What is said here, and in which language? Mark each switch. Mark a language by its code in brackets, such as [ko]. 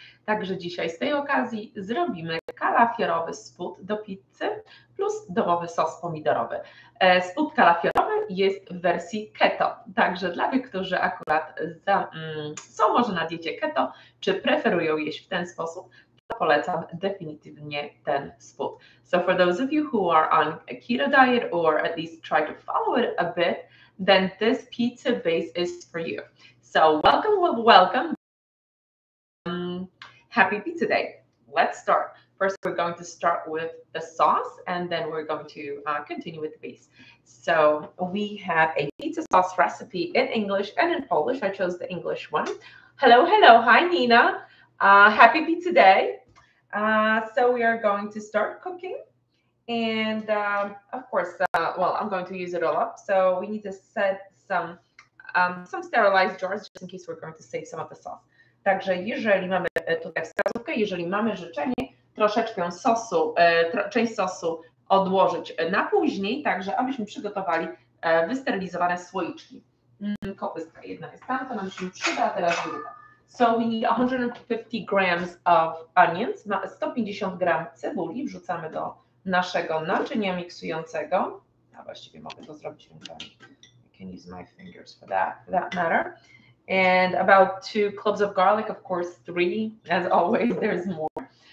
[pl] Także dzisiaj z tej okazji zrobimy kalafiorowy spód do pizzy plus domowy sos pomidorowy. Spód kalafiorowy jest w wersji keto, także dla tych, którzy akurat są może na diecie keto, czy preferują jeść w ten sposób, to polecam definitywnie ten spód. [en] So for those of you who are on a keto diet or at least try to follow it a bit, then this pizza base is for you. So welcome. Happy Pizza Day. Let's start. First, we're going to start with the sauce and then we're going to continue with the base. So we have a pizza sauce recipe in English and in Polish. I chose the English one. Hello, hello. Hi, Nina. Happy Pizza Day. So we are going to start cooking. And of course, I'm going to use it all up. So we need to set some sterilized jars just in case we're going to save some of the sauce. [pl] Także jeżeli mamy tutaj wskazówkę, jeżeli mamy życzenie, troszeczkę sosu, część sosu odłożyć na później, także abyśmy przygotowali wysterylizowane słoiczki. Kołyska jedna jest tam, to nam się przyda, a teraz druga. [en] So we need 150 grams of onions, [pl] 150 gram cebuli, wrzucamy do naszego naczynia miksującego. A właściwie mogę to zrobić rękami. [en] I can use my fingers for that matter. And about 2 cloves of garlic, of course, 3, as always, there's more.